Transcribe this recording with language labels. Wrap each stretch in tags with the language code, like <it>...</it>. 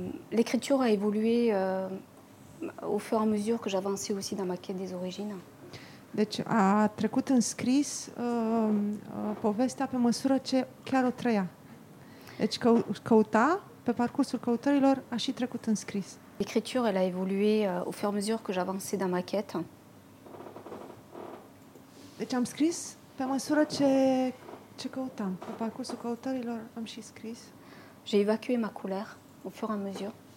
<fr>L'écriture a évolué au fur et à mesure que j'avançais aussi dans ma quête des origines.</fr> <ro>Donc, a trecut în scris povestea pe măsură ce chiar o trăia. Deci căuta, pe parcursul căutărilor, a și trecut în scris.</ro> <fr>L'écriture, elle a évolué au fur et à mesure que j'avançais dans ma quête.</fr> <ro>Deci am scris pe măsură ce căutam. Pe parcursul căutărilor am și scris.</ro> <fr>J'ai évacué ma colère au fur et à mesure.</fr>